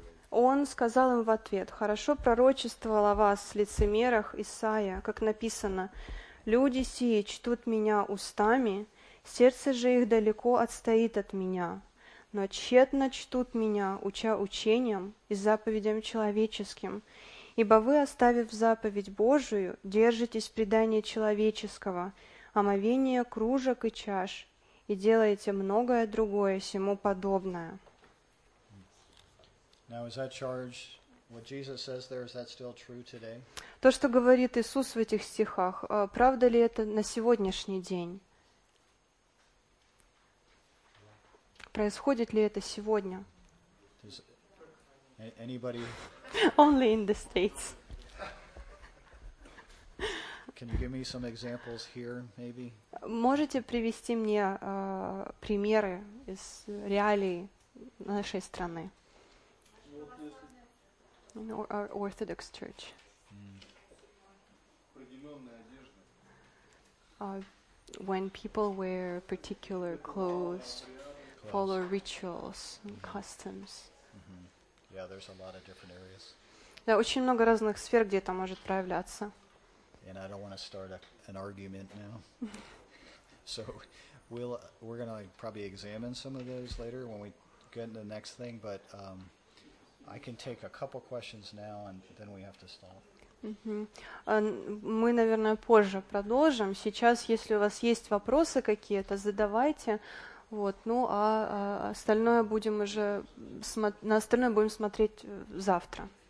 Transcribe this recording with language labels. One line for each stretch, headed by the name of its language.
Russian: Он сказал им в ответ: «Хорошо пророчествовал о вас в лицемерах Исаия, как написано: люди сии чтут меня устами, сердце же их далеко отстоит от меня, но тщетно чтут меня, уча учением и заповедям человеческим. Ибо вы, оставив заповедь Божию, держитесь предания человеческого, омовения кружек и чаш, и делаете многое другое сему подобное».
English: Now, is that charge, what Jesus says there, is that still true today?
Russian: То, что говорит Иисус в этих стихах, правда ли это на сегодняшний день? Происходит ли это сегодня?
English: Does anybody... Only in the States. Can you give me some examples here, maybe?
Russian: Можете привести мне примеры из реалий нашей страны?
English: Orthodox Church. When people wear particular clothes... Follow rituals and customs. Mm-hmm. Yeah, there's a lot of different areas.
Russian: Да, очень много разных сфер, где это может проявляться.
English: And I don't want to start an argument now. So we're going to probably examine some of those later when we get into the next thing, but I can take a couple questions now and then we have to stop.
Russian: Мы, наверное, позже продолжим. Сейчас, если у вас есть вопросы какие-то, задавайте. Вот, ну а остальное будем уже на остальное будем смотреть завтра.